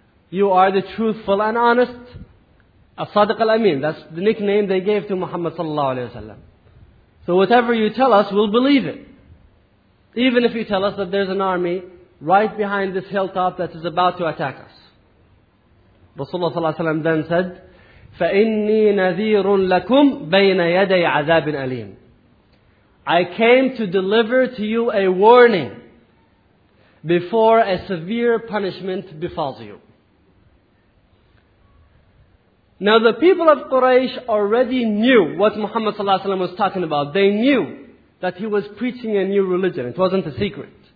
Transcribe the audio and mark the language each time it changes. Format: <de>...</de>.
<en>You are the truthful and honest.</en> <ar>الصَّادِقَ الْأَمِينَ.</ar> <en>That's the nickname they gave to Muhammad sallallahu alayhi wa sallam. So whatever you tell us, we'll believe it. Even if you tell us that there's an army right behind this hilltop that is about to attack us. Rasulullah ﷺ then said,</en> <ar>فَإِنِّي نَذِيرٌ لَكُمْ بَيْنَ يَدَيْ عَذَابٍ أَلِيمٍ.</ar> <en>I came to deliver to you a warning before a severe punishment befalls you. Now the people of Quraysh already knew what Muhammad ﷺ was talking about. They knew that he was preaching a new religion. It wasn't a secret.</en>